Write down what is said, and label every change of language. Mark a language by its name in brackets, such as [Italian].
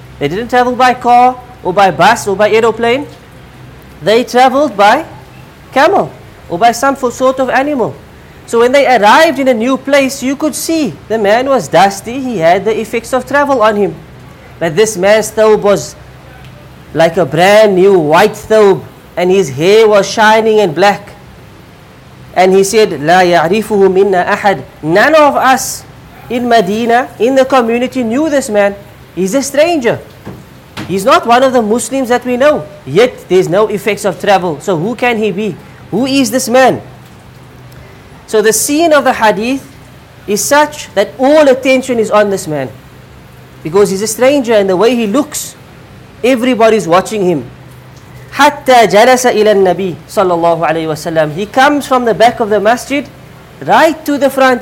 [English] They didn't travel by car or by bus or by aeroplane. They traveled by camel or by some sort of animal. So when they arrived in a new place, you could see the man was dusty. He had the effects of travel on him. But this man's thawb was like a brand new white thawb, and his hair was shining and black. And he said, [Arabic] لا يعرفه منا أحد. [English] None of us in Medina, in the community, knew this man. He's a stranger. He's not one of the Muslims that we know. Yet there's no effects of travel. So who can he be? Who is this man? So the scene of the hadith is such that all attention is on this man, because he's a stranger, and the way he looks, everybody's watching him. [Arabic] حتى جلس إلى النبي صلى الله عليه وسلم. [English] He comes from the back of the masjid, right to the front.